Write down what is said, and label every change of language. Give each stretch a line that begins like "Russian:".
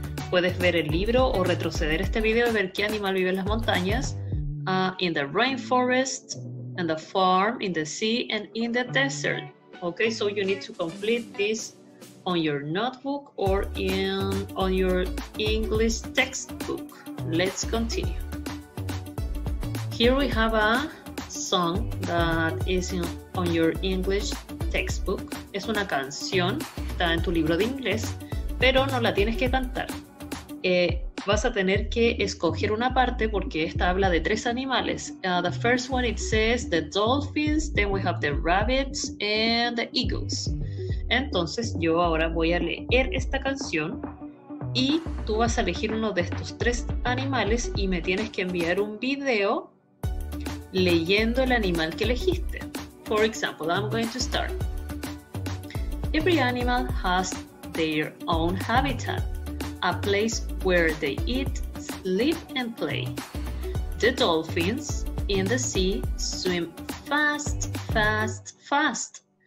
Spanish: Puedes ver el libro o retroceder este video y ver qué animal vive en las montañas.
English: In the rainforest, in the farm, in the sea, and in the desert. Okay, so you need to complete this on your notebook or on your English textbook. Let's continue. Here we have a song that is on your English textbook.
Spanish: Es una canción, está en tu libro de inglés, pero no la tienes que cantar. Vas a tener que escoger una parte porque esta habla de tres animales.
English: The first one, it says the dolphins, then we have the rabbits and the eagles.
Spanish: Entonces yo ahora voy a leer esta canción y tú vas a elegir uno de estos tres animales y me tienes que enviar un video leyendo el animal que elegiste.
English: For example, I'm going to start. Every animal has their own habitat, a place where they eat, sleep, and play. The dolphins in the sea swim fast, fast, fast.